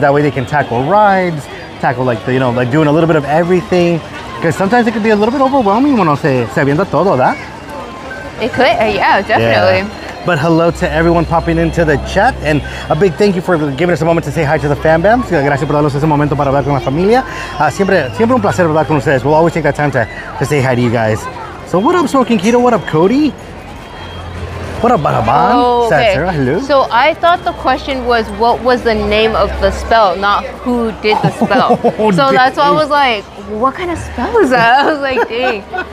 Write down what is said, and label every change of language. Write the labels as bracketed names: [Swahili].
[English] That way they can tackle rides, tackle, like, the, you know, like, doing a little bit of everything. Because sometimes it can be a little bit overwhelming when [Spanish] se avienta todo, ¿verdad? [English] It could, definitely. Yeah. But hello to everyone popping into the chat, and a big thank you for giving us a moment to say hi to the fam bam. [Spanish] Gracias por darnos ese momento para hablar con la familia. Siempre un placer hablar con ustedes. [English] We'll always take that time to say hi to you guys. So what up, Smoking Keto? What up, Cody? What up, Barabán? Hello. So I thought the question was, what was the name of the spell, not who did the spell. That's why I was like, what kind of spell is that? I was like, dang.